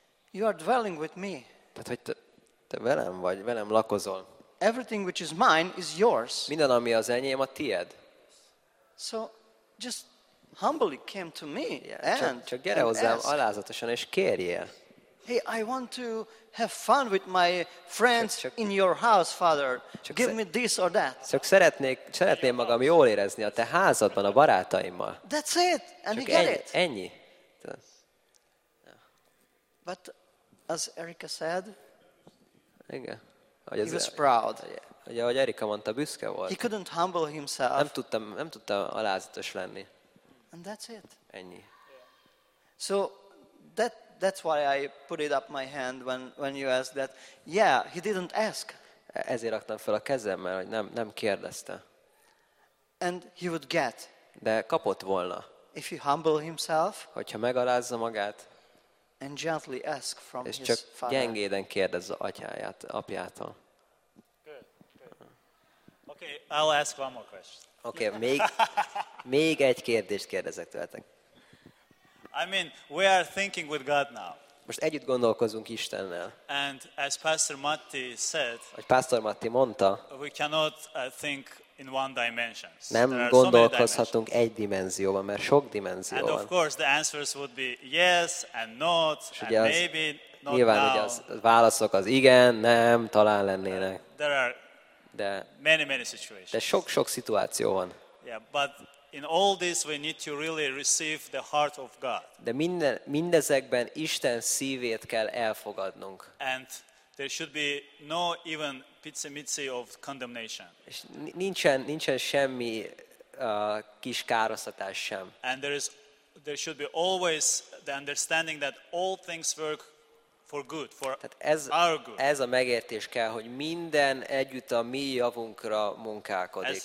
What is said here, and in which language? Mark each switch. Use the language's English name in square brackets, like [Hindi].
[English] You are dwelling with me. [Hungarian] Tehát hogy te velem vagy, velem lakozol. [English] Everything which is mine is yours. [Hungarian] Minden, ami az enyém, a tied. [English] So just humbly came to me. Yeah, and [Hungarian] csak gyere hozzám alázatosan és kérjél. [English] Hey, I want to have fun with my friends in your house, Father. Give me this or that. [Hungarian] Csak szeretném magam jól érezni a te házadban a barátaimmal. [English] That's it. And [Hungarian] csak [English] you get it. [Hungarian] Ennyi. [English] But as Erika said, [Hungarian] igen. [English] Ugye, he was proud. [Hungarian] Ahogy Erika mondta, büszke volt. [English] He couldn't humble himself. [Hungarian] Nem tudta alázatos lenni. [English] And that's it. [Hungarian] Ennyi. [English] So that's why I put it up my hand when you asked that. Yeah, he didn't ask. [Hungarian] Ezért raktam fel a kezem, mert hogy nem kérdezte. [English] And he would get. [Hungarian] De kapott volna. [English] If he humble himself. [Hungarian] Hogyha megalázza magát. [English] And gently ask from his [Hungarian] csak [English] father. [Hungarian] Gyengéden kérdez az atyáját, apjától. [English] Good. Okay, I'll ask one more question. [Hungarian] Okay, még egy kérdést kérdezek tőletek. [English] I mean, we are thinking with God now. [Hungarian] Most együtt gondolkozunk Istennel. [English] And as Pastor Matti said, [Hungarian] hogy Pastor Matti mondta, [English] we cannot think in one dimension. [Hungarian] Nem gondolkozhatunk egy dimenzióban, mert sok dimenzió van. [English] And of course the answers would be yes and not and maybe not now. [Hungarian] Nyilván ugye az válaszok az igen, nem, talán lennének. [English] There are many situations. [Hungarian] De sok szituáció van. [English] Yeah, but in all this we need to really receive the heart of God. [Hungarian] De mindezekben Isten szívét kell elfogadnunk. [English] And there should be no even pizzi-mizzi of condemnation. [Hungarian] És nincsen semmi kis károsztatás sem. [English] And there should be always the understanding that all things work for good, for our good. [Hungarian] Ez a megértés kell, hogy minden együtt a mi javunkra munkálkodik.